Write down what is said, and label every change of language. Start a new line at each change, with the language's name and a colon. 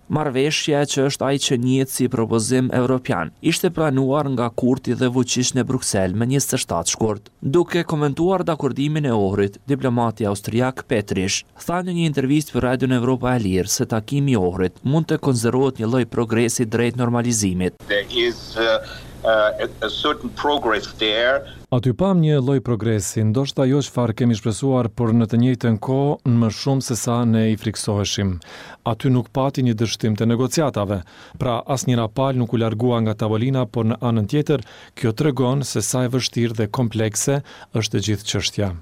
Albanian: Marrëveshja që është ai që njihet si propozim evropian, ishte planuar nga Kurti dhe Vučić në Bruksel me 27 shkurt. Duke komentuar dakordimin e ohrit, diplomati austriak Petrich tha në një intervistë për Radio Evropa e Lirë se takimi I ohrit mund të konsiderohet një lloj progresi drejt normalizimit.
English: There is a certain progress there.
Albanian: Aty pam një lloj progresi, ndoshta jo çfarë kemi shpresuar, por në të njëjtën kohë më shumë se sa ne I friksoheshim. Aty nuk pati një dështim të negociatave, pra asnjëra palë nuk u largua nga tavolina, por në anën tjetër, kjo tregon se sa e vështirë dhe komplekse është gjithë çështja.